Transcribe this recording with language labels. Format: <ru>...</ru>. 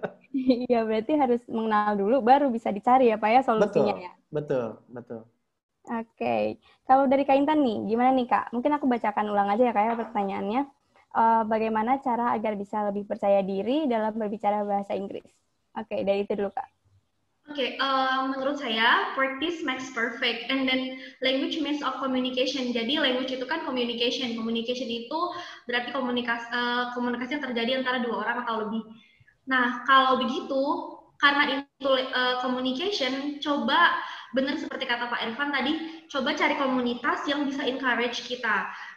<id>Iya, berarti harus mengenal dulu, baru bisa dicari ya, Pak, ya, solusinya. Betul. Oke, kalau dari Kak Intan nih, gimana nih, Kak? Mungkin aku bacakan ulang aja ya, Kak, ya, pertanyaannya. Bagaimana cara agar bisa lebih percaya diri dalam berbicara bahasa Inggris? Oke, dari itu dulu, Kak. Oke, menurut saya,</id> <en>practice makes perfect, and then language means of communication.</en> <id>Jadi, language itu kan communication. Communication itu berarti komunikasi yang terjadi antara dua orang atau lebih. Nah, kalau begitu, karena itu communication, coba benar seperti kata Pak Irfan tadi, coba cari komunitas yang bisa encourage kita.</id>